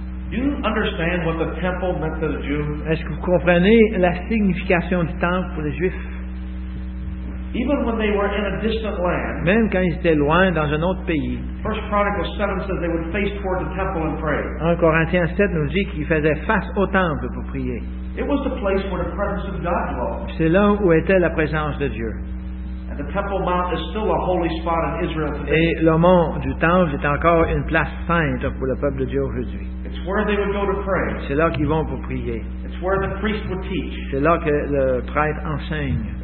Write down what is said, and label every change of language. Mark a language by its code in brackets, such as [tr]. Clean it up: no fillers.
[en] Do you understand what the temple meant to the Jews? [fr] Est-ce que vous comprenez la signification du temple pour les Juifs? [en] Even when they were in a distant land. [fr] Même quand ils étaient loin dans un autre pays. [en] 1 Chronicles 7 says they would face toward the temple and pray. [fr] 1 Corinthiens 7 nous dit qu'ils faisaient face au temple pour prier. [en] It was the place where the presence of God dwelt. [fr] C'est là où était la présence de Dieu. [en] The Temple Mount is still a holy spot in Israel today. [fr] Et le mont du Temple est encore une place sainte pour le peuple de Dieu aujourd'hui. [en] It's where they would go to pray. [fr] C'est là qu'ils vont pour prier. [en] It's where the priest would teach. [fr] C'est là que le prêtre enseigne.